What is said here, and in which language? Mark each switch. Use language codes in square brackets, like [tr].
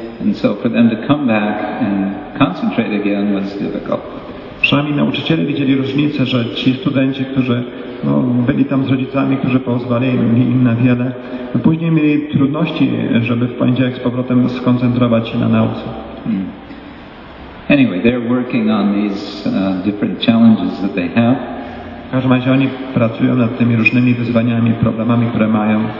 [en] And so for them to come back and concentrate again was difficult. [pl] Przynajmniej nauczyciele widzieli różnicę, że ci studenci, którzy no, byli tam z rodzicami, którzy pozwali im na wiele, no, później mieli trudności, żeby w poniedziałek z powrotem skoncentrować się na nauce. [en] Anyway, they're working on these different challenges that they have. [pl] W każdym razie oni pracują nad tymi różnymi wyzwaniami, problemami, które mają.